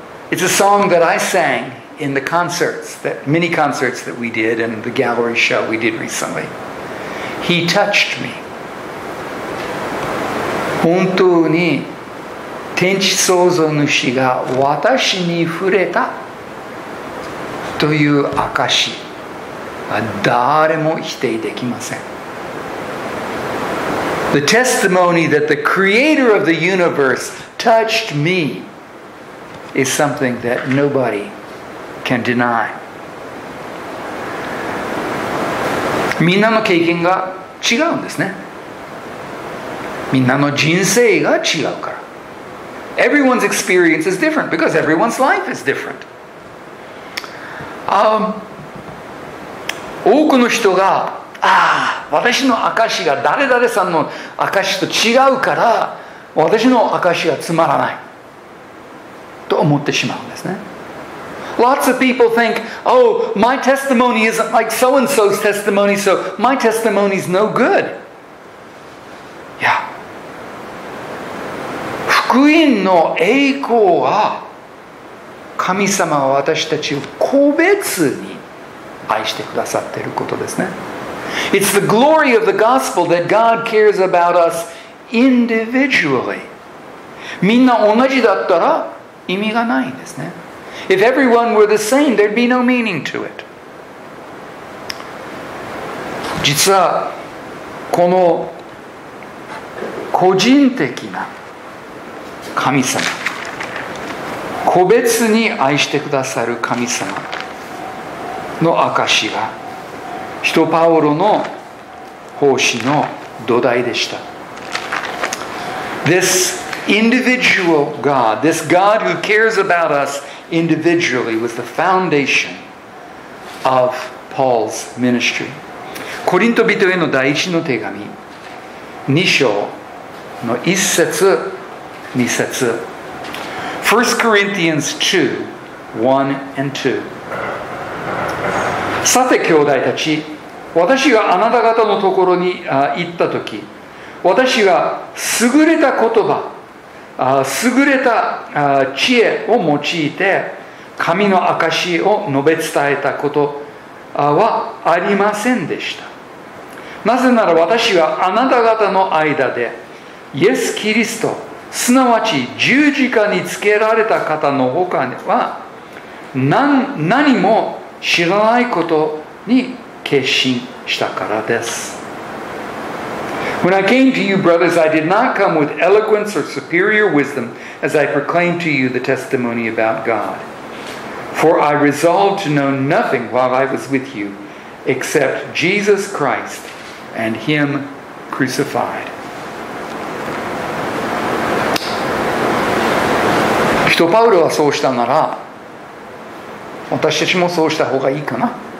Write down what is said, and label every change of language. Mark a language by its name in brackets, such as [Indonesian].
[English] It's a song that I sang in the concerts, the mini concerts that we did, and the gallery show we did recently. He touched me. [Japanese] 本当に天地創造主が私に触れたという証。誰も否定できません。 [English] The testimony that the creator of the universe touched me is something that nobody can deny. [Japanese] みんなの経験が違うんですね。みんなの人生が違うから。 [English] Everyone's experience is different because everyone's life is different. [Japanese] 多くの人が、私の証が誰々さんの証と違うから私の証はつまらないと思ってしまうんですね。 [English] Lots of people think, oh, my testimony isn't like so-and-so's testimony, so my testimony is no good. [Japanese] いや、福音の栄光は神様は私たちを個別に愛してくださっていることですね。 [English] It's the glory of the gospel that God cares about us individually. [Japanese] みんな同じだったら意味がないんですね。 [English] If everyone were the same, there'd be no meaning to it. [Japanese] 実はこの個人的な神様、個別に愛してくださる神様の証しが使徒パウロの奉仕の土台でした。 [English] This individual God, this God who cares about us individually was the foundation of Paul's ministry. [Japanese] コリント人への第一の手紙2章の1節2節 [English] 1 Corinthians 2 1 and 2。 [Japanese] さて兄弟たち、私があなた方のところに行ったとき、私は優れた言葉、優れた知恵を用いて神の証を述べ伝えたことはありませんでした。なぜなら私はあなた方の間でイエス・キリスト、すなわち十字架につけられた方のほかは何も知らないことに決心したからです。 [English] When I came to you, brothers, I did not come with eloquence or superior wisdom as I proclaimed to you the testimony about God. For I resolved to know nothing while I was with you except Jesus Christ and Him crucified. [Japanese] 人パウロはそうしたなら、私たちもそうした方がいいかな。